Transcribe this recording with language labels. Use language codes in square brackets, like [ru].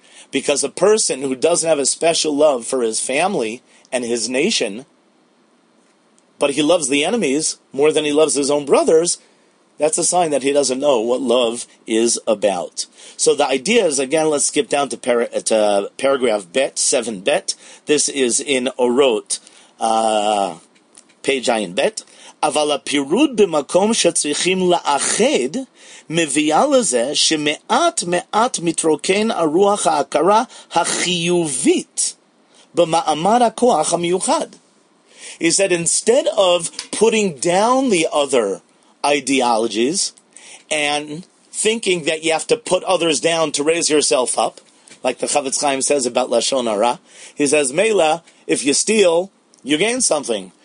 [en] Because a person who doesn't have a special love for his family and his nation, but he loves the enemies more than he loves his own brothers, that's a sign that he doesn't know what love is about. So the idea is, again, let's skip down to paragraph Bet, 7 Bet. This is in Orot, page I in Bet. [he] אבל הפירוד במקום שצריכים לאחד מביאה לזה שמעט מעט מתרוקן הרוח ההכרה החיובית במאמר הכוח המיוחד. [en] He said, instead of putting down the other ideologies and thinking that you have to put others down to raise yourself up, like the Chavetz Chaim says about Lashon Hara, he says, Mela, if you steal, you gain something.